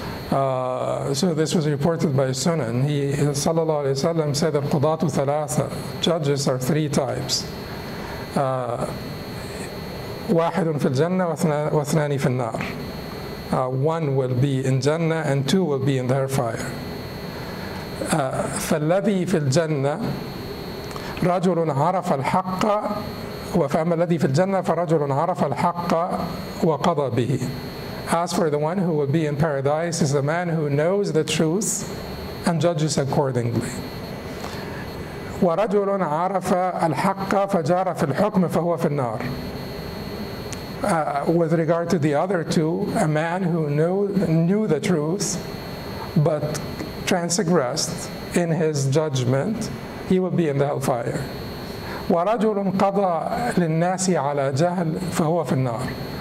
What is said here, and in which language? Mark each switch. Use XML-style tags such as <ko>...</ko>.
<en>So this was reported by Sunan. He, sallallahu alayhi wa sallam, said that</en> <ar>qudatu thalatha,</ar> <en>judges are three types.</en> <ar>Wahidun fil jannah wa thnani fil nar.</ar> <en>One will be in Jannah and two will be in the hellfire.</en> <ar>فالذي في الجنة رجل عرف الحق وفأما الذي في الجنة فرجل عرف الحق وقضى به.</ar> <en>As for the one who will be in paradise is the man who knows the truth and judges accordingly.</en> <ar>ورجل عرف الحق فجار في الحكم فهو في النار.</ar> <en>With regard to the other two, a man who knew the truth but transgressed in his judgment, he will be in the hellfire.</en> <ar>وَرَجُلٌ قَضَى لِلنَّاسِ عَلَى جَهْلٍ فَهُوَ فِي النَّارِ.</ar>